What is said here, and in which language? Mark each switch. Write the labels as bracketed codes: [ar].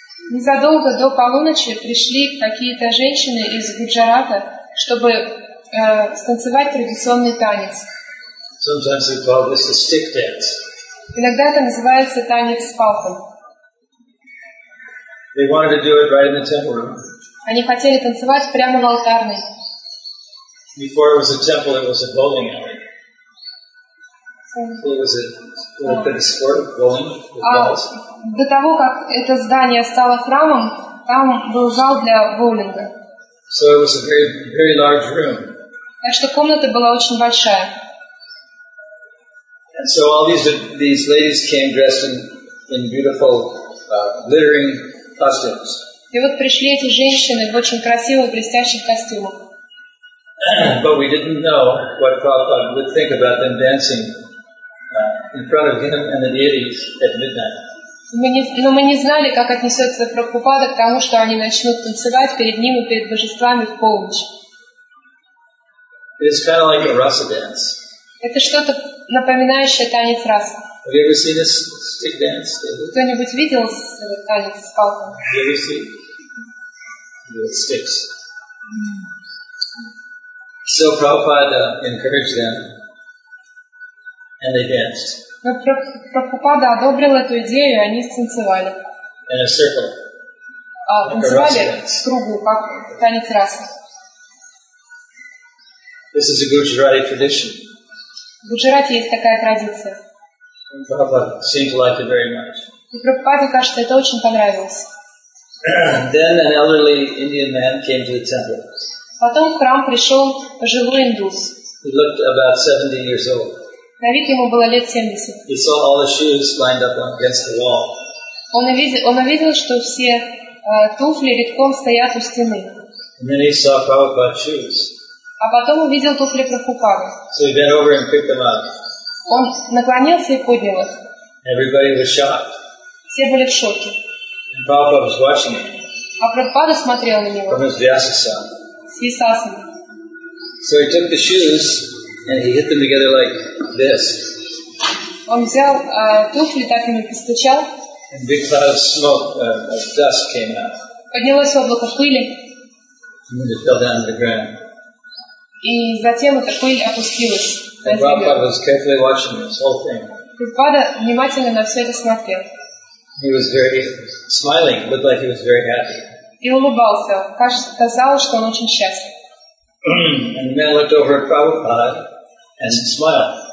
[ru] Незадолго до полуночи пришли какие-то женщины из Гуджарата, чтобы станцевать традиционный танец. [en] Sometimes they call this a stick dance. [ru] Иногда это называется танец с палкой. [en] They wanted to do it right in the temple room. [ru] Они хотели танцевать прямо в алтарной. [en] Before it was a temple, it was a bowling alley. So it was a little bit of sport, bowling with balls. [ru] До того, как это здание стало храмом, там был зал для боулинга. [en] So it was a very, very large room. [ru] Так что комната была очень большая. [en] And so all these ladies came dressed in beautiful, glittering costumes. [ru] И вот пришли эти женщины в очень красивых, блестящих костюмах. [en] But we didn't know what Prabhupada would think about them dancing in front of him and the deities at midnight. [ru] Но мы не знали, как отнесется Прабхупада к тому, что они начнут танцевать перед ним и перед божествами в полночь. [en] It is kind of like a rasa dance. [ru] Это что-то напоминающее танец раса. [en] Have you ever seen this stick dance, David? [ru] Кто-нибудь видел танец с палками? [en] Have you ever seen the sticks? So Prabhupada encouraged them, and they danced. [ru] Но Прабхупада одобрил эту идею, и они станцевали. [en] In a circle. [ru] Танцевали в кругу, как танец расы. [en] This is a Gujarati tradition. [ru] В Гуджарате есть такая традиция. [en] And Prabhupada seemed to like it very much. [ru] И Прабхупаде, кажется, это очень понравилось. [en] Then an elderly Indian man came to the temple. [ru] Потом в храм пришел пожилой индус. [en] He looked about 70 years old. [ru] На вид ему было лет 70. [en] He saw all the shoes lined up against the wall. [ru] Он увидел, что все туфли рядком стоят у стены. [en] And then he saw Prabhupada's shoes. [ru] А потом увидел туфли Прабхупады. [en] So he bent over and picked them up. [ru] Он наклонился и поднял их. [en] Everybody was shocked. [ru] Все были в шоке. [en] And Prabhupada was watching him. [ru] А Прабхупада смотрел на него. [en] From his Vyasasana. [ru] С Висасаны. [en] So he took the shoes and he hit them together like this. [ru] Он взял туфли, так ими постучал. [en] And big cloud of smoke, of dust came out. [ru] Поднялось облако пыли. [en] And then it fell down to the ground. [ru] И затем эта пыль опустилась. [en] And Prabhupada was carefully watching this whole thing. [ru] Прабхупада внимательно на все это смотрел. [en] He was very smiling, looked like he was very happy. [ru] И улыбался. Кажется, казалось, что он очень счастлив. [en] And the man looked over at Prabhupada and smiled.